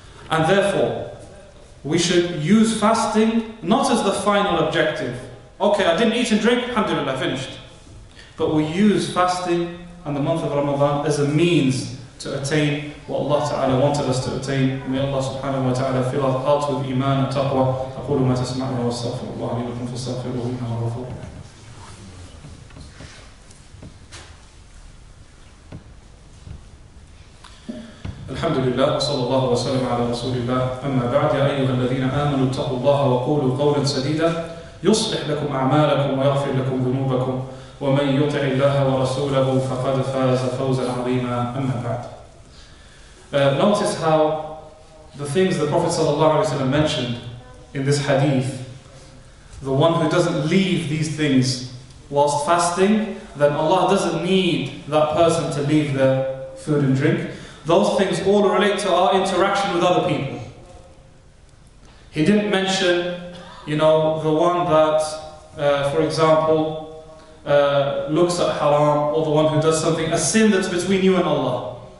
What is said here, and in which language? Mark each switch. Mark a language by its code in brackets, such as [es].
[en] And therefore, we should use fasting not as the final objective. Okay, I didn't eat and drink, alhamdulillah, finished. But we use fasting And the month of Ramadan is a means to attain what Allah Ta'ala wanted us to attain. May Allah Subhanahu wa Ta'ala fill our hearts with iman and taqwa. [ar] أقول ما تسمعون واستغفر الله لي ولكم فاستغفروه إنه هو الغفور. الحمد لله وصلى الله وسلم على رسول الله. أما بعد يا أيها الذين آمنوا اتقوا الله وقولوا قولا سديدا يصلح لكم أعمالكم ويغفر لكم ذنوبكم ومن يطع الله ورسوله فقد فاز فوزا عظيما. أما بعد. [en] Notice how the things the Prophet [ar] صلى الله عليه وسلم [en] mentioned in this hadith, the one who doesn't leave these things whilst fasting, then Allah doesn't need that person to leave their food and drink. Those things all relate to our interaction with other people. He didn't mention, you know, the one that, for example, looks at haram, or the one who does something, a sin that's between you and Allah.